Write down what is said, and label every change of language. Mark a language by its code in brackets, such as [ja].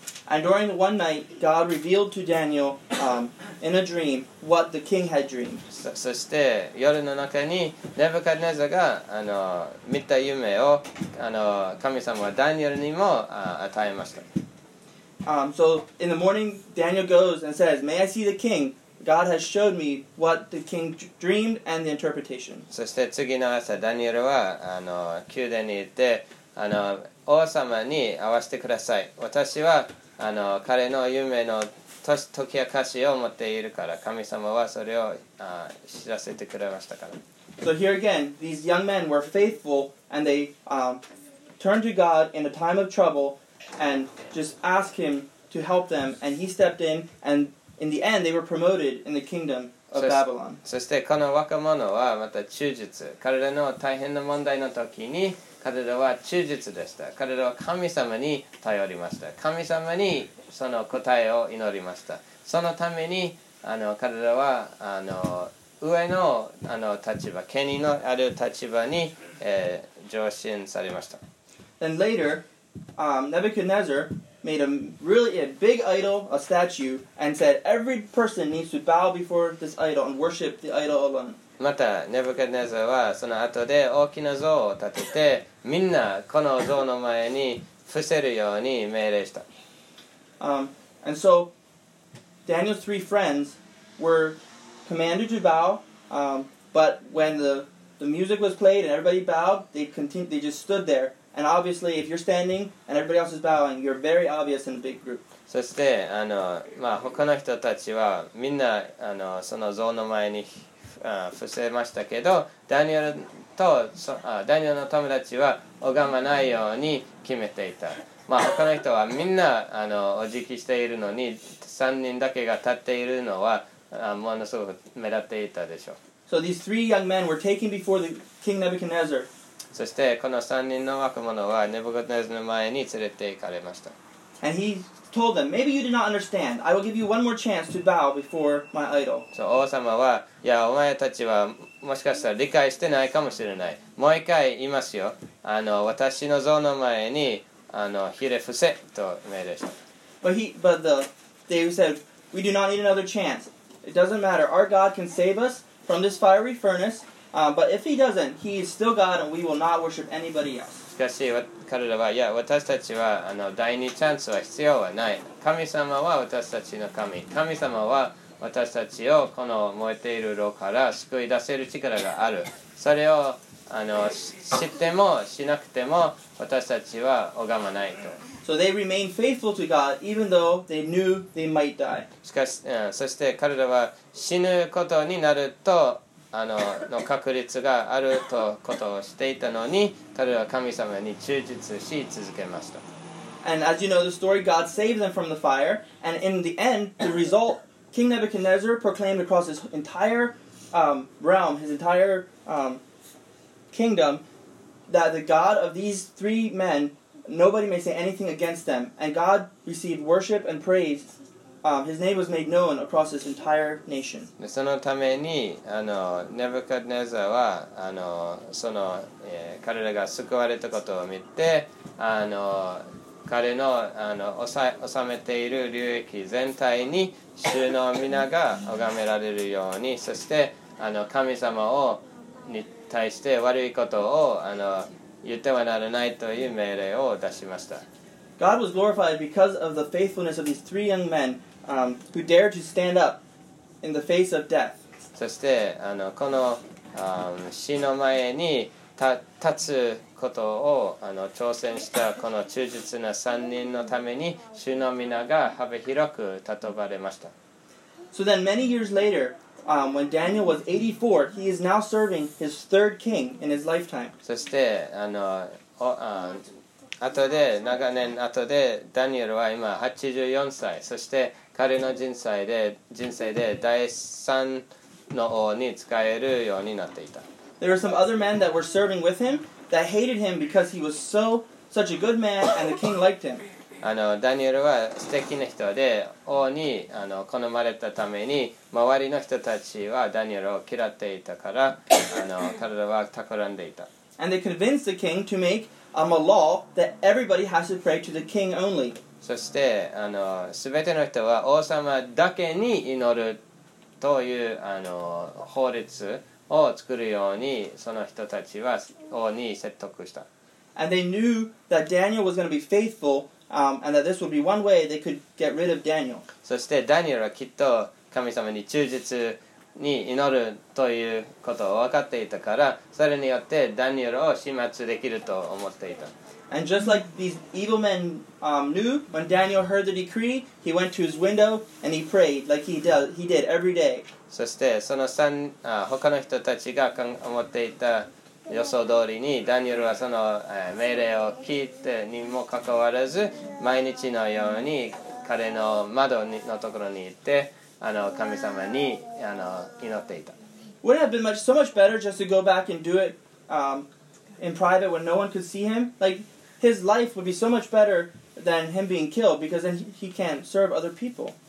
[en] And during one night, God revealed to Daniel, in a dream, what the king had dreamed. [ja] そして夜の中にネブカデネザが見た夢を神様はダニエルにも与えました。 [en] So in the morning, Daniel goes and says, "May I see the king? God has showed me what the king dreamed and the interpretation." [ja] そして次の朝、ダニエルは宮殿に行って王様に会わせてください。私は彼の夢の解き明かしを持っているから、神様はそれを知らせてくれましたから。 [en] So here again, these young men were faithful and they turned to God in a time of trouble and just asked him to help them and he stepped in and in the end they were promoted in the kingdom of Babylon. [ja] そしてこの若者はまた忠実。彼らの大変な問題の時に彼らは忠実でした。彼らは神様に頼りました。神様にその答えを祈りました。そのために彼らは上の立場、権威のある立場に、上進されました。 [en] Then later, Nebuchadnezzar made a big idol, a statue, and said every person needs to bow before this idol and worship the idol alone. [ja] またネブカデネザはその後で大きな像を建ててみんなこの像の前に伏せるように命令した。 [en] And so Daniel's three friends were commanded to bow, but when the music was played and everybody bowed, they just stood there. And obviously, if you're standing and everybody else is bowing, you're very obvious in a big group. [ja] そして他の人たちはみんなその像の前に伏せましたけど、ダニエルとそあダニエルの友達は拝まないように決めていた。まあ他の人はみんなあのお辞儀しているのに3人だけが立っているのはあものすごく目立っていたでしょう。 [en] So these three young men were taken before the King Nebuchadnezzar. [ja] そしてこの3人の若者はネブカドネズの前に連れて行かれました。 [en] And he told them, maybe you did not understand. I will give you one more chance to bow before my idol. So [ja] 王様はいやお前たちはもしかしたら理解してないかもしれない。もう一回言いますよ。あの私の像の前にあのひれ伏せと命令した。 [en] But they said, we do not need another chance. It doesn't matter. Our God can save us from this fiery furnace. But if he doesn't, he is still God and we will not worship anybody else. [ja] しかし彼らはいや私たちはあの第二チャンスは必要はない。神様は私たちの神。神様は私たちをこの燃えている炉から救い出せる力がある。それをあの知ってもしなくても私たちは拝まないと。 [en] So they remained faithful to God even though they knew they might die. [ja] しかし、そして彼らは死ぬことになるとあのの確率があるとことをしていたのに彼らは神様に忠実し続けました。 [en] And as you know the story, God saved them from the fire and in the end, the result, King Nebuchadnezzar proclaimed across his entire realm, his entire kingdom, that the God of these three men, nobody may say anything against them. And God received worship and praise. His name was made known across his entire nation. [ja] そのためにあのネブカドネザーはあのその、彼らが救われたことを見てあの彼の、あの、収めている領域全体に主の皆が拝められるようにそしてあの神様をに対して悪いことをあの言ってはならないという命令を出しました。 [en] God was glorified because of the faithfulness of these three young men who dared to stand up in the face of death. [ja] そしてあのこの、死の前に立つことをあの挑戦したこの忠実な三人のために主の皆が幅広く讃えられました。 [en] So then many years laterWhen Daniel was 84, he is now serving his third king in his lifetime. [ja] そしてあの後で長年後でダニエルは今84歳、そして彼の人生で第三の王に仕えるようになっていた。 [en] There were some other men that were serving with him that hated him because he was such a good man and the king liked him. [ja] あのダニエルは素敵な人で王にあの好まれたために周りの人たちはダニエルを嫌っていたからあの彼らは企んでいた。 [en] And they convinced the king to make a law that everybody has to pray to the king only. [ja] そしてあの全ての人は王様だけに祈るというあの法律を作るようにその人たちは王に説得した。 [en] And they knew that Daniel was going to be faithfuland that this would be one way they could get rid of Daniel. [ja] そしてダニエルはきっと神様に忠実に祈るということを分かっていたから、それによってダニエルを始末できると思っていた。 [en] And just like these evil men knew, when Daniel heard the decree, he went to his window and he prayed like he did every day. [ja] そしてその他の人たちが思っていた予想通りにダニエルはその命令を聞いてにもかかわらず毎日のように彼の窓のところに行ってあの神様にあの祈っていた。 [en] Would it have been much, so much better just to go back and do it in private when no one could see him? Like his life would be so much better than him being killed because then he can't serve other people.